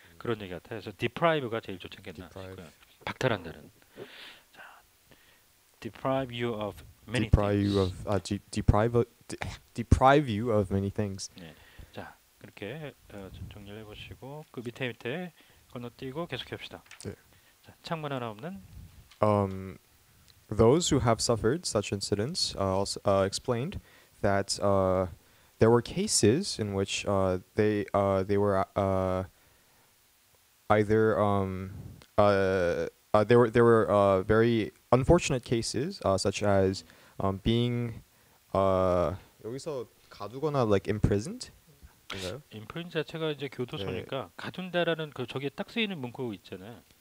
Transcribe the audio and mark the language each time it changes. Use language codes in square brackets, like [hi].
[ko] 그런 얘기 같아요. 그래서 deprive가 제일 좋지 않겠나 싶어요. 박탈한다는. [en] 자, deprive you of many deprive things. You of, deprive you of many things. [ko] 네. 자, 그렇게 정리를 해보시고 그 밑에 건너뛰고 계속해봅시다. 네. 자, 창문 하나 없는 [en] those who have suffered such incidents also explained that there were cases in which they were either there were very unfortunate cases such as being [ko] 여기서 가두거나 [en] like imprisoned. [ko] Imprison 자체가 이제 교도소니까 네. 가둔다라는 그 저기에 딱 쓰이는 문구 있잖아요.